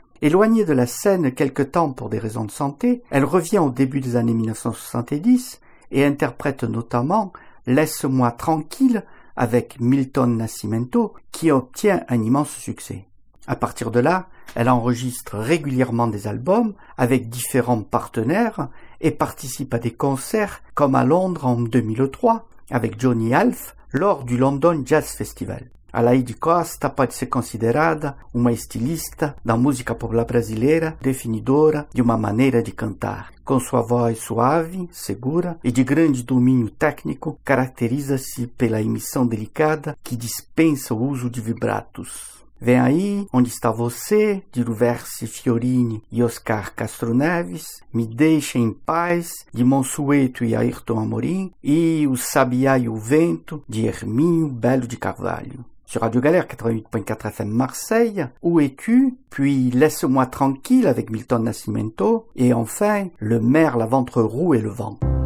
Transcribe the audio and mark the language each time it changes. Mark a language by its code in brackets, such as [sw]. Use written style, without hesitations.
[fr] Éloignée de la scène quelque temps pour des raisons de santé, elle revient au début des années 1970 et interprète notamment « Laisse-moi tranquille » avec Milton Nascimento, qui obtient un immense succès. À partir de là, elle enregistre régulièrement des albums avec différents partenaires et participe à des concerts comme à Londres en 2003 avec Johnny Alf lors du London Jazz Festival. [pt] Alaïde Costa pode ser considerada uma estilista da música popular brasileira definidora de uma maneira de cantar. Com sua voz suave, segura e de grande domínio técnico, caracteriza-se pela emissão delicada que dispensa o uso de vibratos. Vem aí, onde está você, de Luverce Fiorini e Oscar Castro Neves, Me Deixa em Paz, de Monsueto e Ayrton Amorim, e O Sabiá e o Vento, de Herminho Belo de Carvalho. [fr] Sur Radio Galère 88.4 FM Marseille, Où es-tu? Puis Laisse-moi tranquille avec Milton Nascimento, et enfin, Le maire, la ventre roux et le vent.